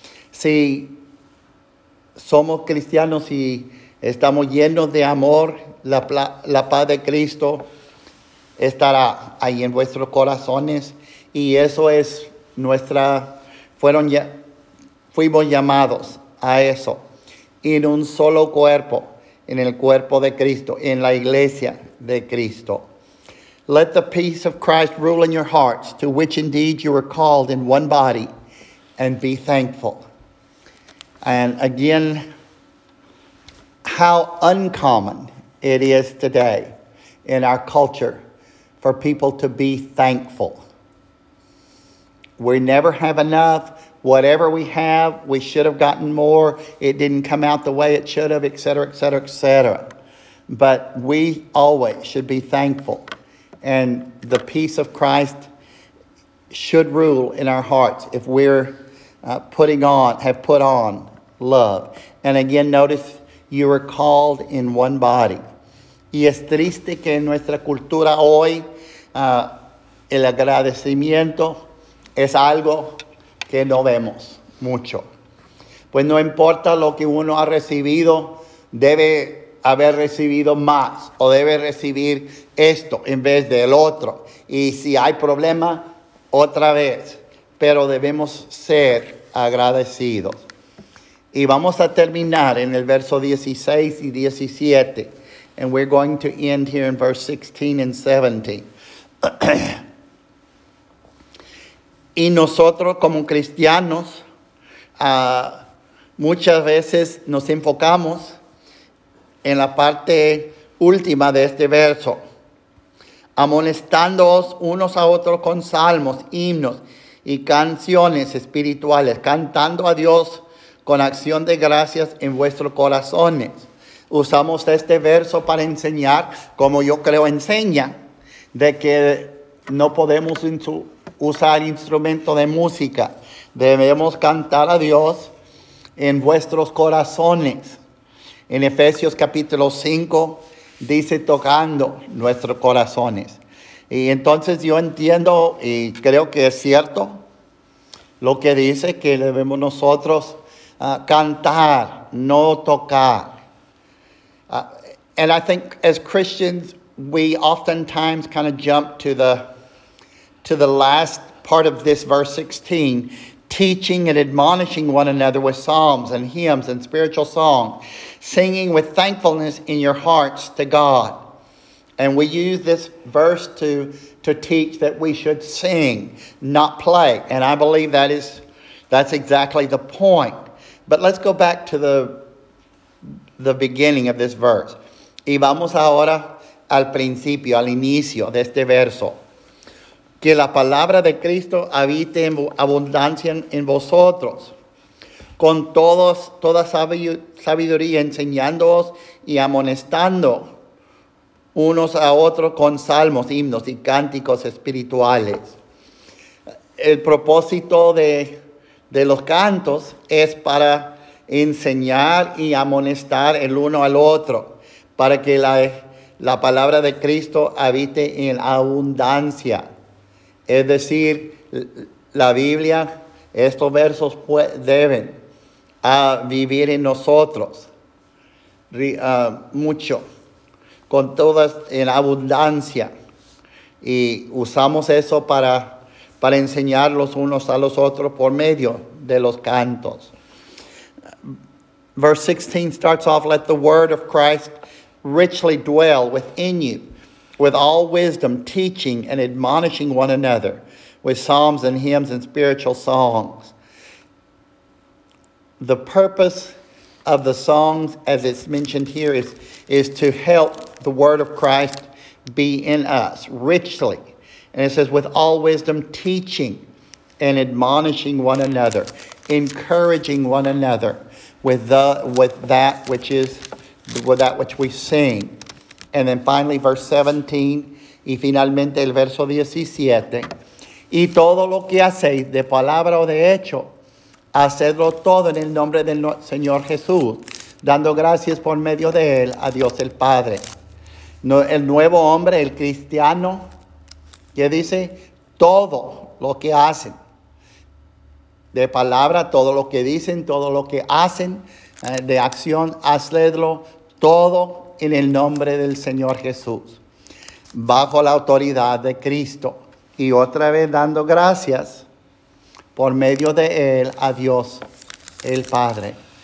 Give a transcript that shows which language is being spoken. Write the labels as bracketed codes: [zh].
[es] Si somos cristianos y estamos llenos de amor, la paz de Cristo estará ahí en vuestros corazones. Y eso es fuimos llamados a eso. En un solo cuerpo, en el cuerpo de Cristo, en la iglesia de Cristo. [en] Let the peace of Christ rule in your hearts, to which indeed you were called in one body, and be thankful. And again, how uncommon it is today in our culture for people to be thankful. We never have enough. Whatever we have, we should have gotten more. It didn't come out the way it should have, etc., etc., etc. But we always should be thankful. And the peace of Christ should rule in our hearts if we're have put on love. And again, notice you were called in one body. [es] Y es triste que en nuestra cultura hoy el agradecimiento es algo que no vemos mucho. Pues no importa lo que uno ha recibido, debe haber recibido más o debe recibir esto en vez del otro. Y si hay problema, otra vez. Pero debemos ser agradecidos. Y vamos a terminar en el verso 16 y 17. [en] And we're going to end here in verse 16 and 17. [es] Y nosotros como cristianos, muchas veces nos enfocamos en la parte última de este verso, amonestándoos unos a otros con salmos, himnos y canciones espirituales, cantando a Dios con acción de gracias en vuestros corazones. Usamos este verso para enseñar, como yo creo enseña, de que no podemos usar instrumento de música, Debemos cantar a Dios en vuestros corazones. En Efesios capítulo 5 dice tocando nuestros corazones. Y entonces yo entiendo y creo que es cierto lo que dice que debemos nosotros cantar, no tocar. [en] And I think as Christians, we oftentimes kind of jump to the last part of this verse 16, teaching and admonishing one another with psalms and hymns and spiritual songs, singing with thankfulness in your hearts to God. And we use this verse to teach that we should sing, not play. And I believe that's exactly the point. But let's go back to the beginning of this verse. [es] Y vamos ahora al principio, al inicio de este verso. Que la palabra de Cristo habite en abundancia en vosotros, con toda sabiduría, enseñándoos y amonestando unos a otros con salmos, himnos y cánticos espirituales. El propósito de los cantos es para enseñar y amonestar el uno al otro, para que la palabra de Cristo habite en abundancia. Es decir, la Biblia, estos versos deben vivir en nosotros mucho, con todas en abundancia. Y usamos eso para enseñar los unos a los otros por medio de los cantos. [en] Verse 16 starts off, let the word of Christ richly dwell within you, with all wisdom, teaching and admonishing one another with psalms and hymns and spiritual songs. The purpose of the songs, as it's mentioned here, is to help the word of Christ be in us richly. And it says, with all wisdom, teaching and admonishing one another, encouraging one another with that which we sing. And then finally, verse 17, [es] y finalmente el verso 17. Y todo lo que hacéis, de palabra o de hecho, hacedlo todo en el nombre del Señor Jesús, dando gracias por medio de Él a Dios el Padre. No, el nuevo hombre, el cristiano, que dice, todo lo que hacen, de palabra, todo lo que dicen, todo lo que hacen, de acción, hacedlo todo en el nombre del Señor Jesús, bajo la autoridad de Cristo, y otra vez dando gracias por medio de Él a Dios el Padre.